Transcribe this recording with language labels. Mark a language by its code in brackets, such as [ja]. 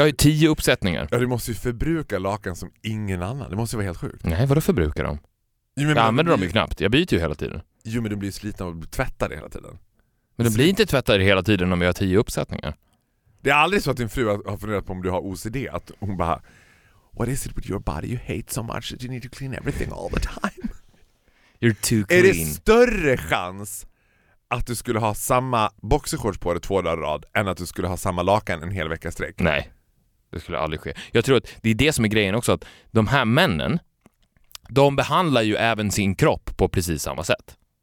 [sv] jag har ju 10 uppsättningar. Ja, du måste ju förbruka lakan som ingen annan. Det måste ju vara helt sjukt. Nej, vadå förbrukar de? Jo, men jag använder dem ju knappt. Jag byter ju hela tiden. Jo, men de blir slitna och tvättade hela tiden. Men de blir inte tvättade hela tiden om jag har 10 uppsättningar. Det är aldrig så att din fru har funderat på om du har OCD. Att hon bara, [en] what is it with your body you hate so much that you need to clean everything all the time? You're too clean. [sv] Är det större chans att du skulle ha samma boxershorts på dig 2 dagar rad än att du skulle ha samma lakan en hel vecka sträck? Nej, det skulle aldrig ske. Jag tror att det är det som är grejen också, att de här männen, de behandlar ju även sin kropp på precis samma sätt.